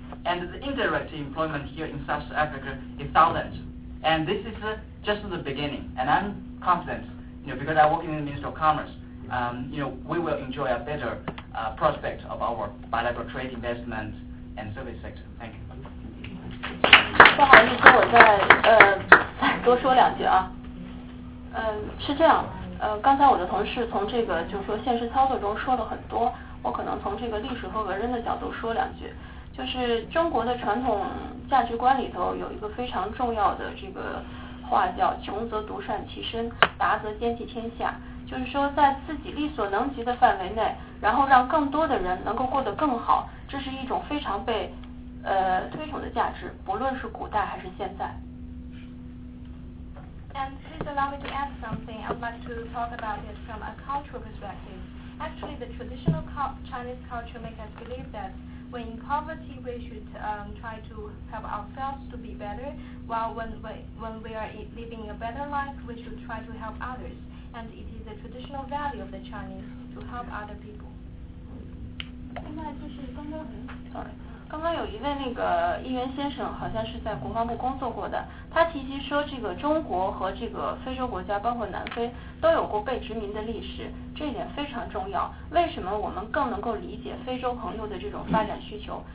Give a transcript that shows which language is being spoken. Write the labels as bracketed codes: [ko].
[en] And the indirect employment here in South Africa is 1,000. And this is just the beginning, and I'm confident, you know, because I work in the Ministry of Commerce, you know, we will enjoy a better prospect of our bilateral trade investment and service sector. Thank you. [zh] 不好意思，我再多说两句啊。是这样，刚才我的同事从这个就是说现实操作中说了很多，我可能从这个历史和文人的角度说两句。就是中国的传统价值观里头有一个非常重要的这个话叫穷则独善其身，达则兼济天下，就是说在自己力所能及的范围内，然后让更多的人能够过得更好，这是一种非常被推崇的价值，不论是古代还是现在。 [en] And please allow me to add something. I would like to talk about it from a cultural perspective. Actually, the traditional Chinese culture makes us believe that when in poverty, we should try to help ourselves to be better, while when we are living a better life, we should try to help others. And it is a traditional value of the Chinese to help other people. [zh] 另外就是刚刚很 [en] sorry. [zh] 刚刚有一位那个议员先生好像是在国防部工作过的，他提及说这个中国和这个非洲国家包括南非都有过被殖民的历史，这一点非常重要。为什么我们更能够理解非洲朋友的这种发展需求？